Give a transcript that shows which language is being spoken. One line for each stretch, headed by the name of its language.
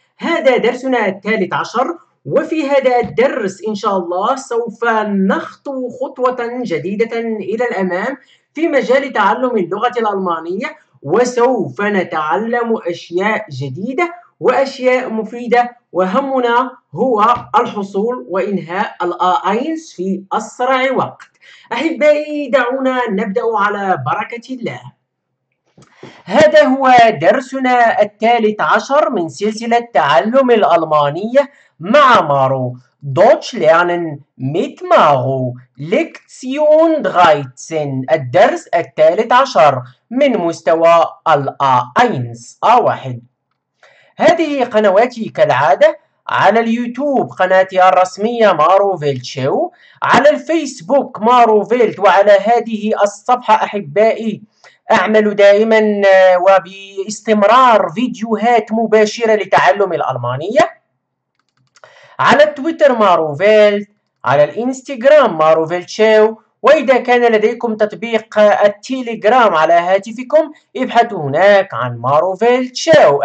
Arabic: هذا درسنا الثالث عشر، وفي هذا الدرس إن شاء الله سوف نخطو خطوة جديدة إلى الأمام في مجال تعلم اللغة الألمانية، وسوف نتعلم أشياء جديدة وأشياء مفيدة، وهمنا هو الحصول وإنهاء الآينس في أسرع وقت. أحبائي، دعونا نبدأ على بركة الله. هذا هو درسنا الثالث عشر من سلسلة تعلم الألمانية مع مارو.
German: Deutsch lernen mit Maro. Lektion 13.
Arabic: الدرس الثالث عشر من مستوى الآينس. هذه قنواتي كالعادة، على اليوتيوب قناتي الرسمية مارو فيلت شو، على الفيسبوك مارو فيلت، وعلى هذه الصفحة أحبائي أعمل دائما وباستمرار فيديوهات مباشرة لتعلم الألمانية، على التويتر مارو فيلت، على الإنستغرام مارو فيلت شو، وإذا كان لديكم تطبيق التليجرام على هاتفكم ابحثوا هناك عن مارو فيلت شو.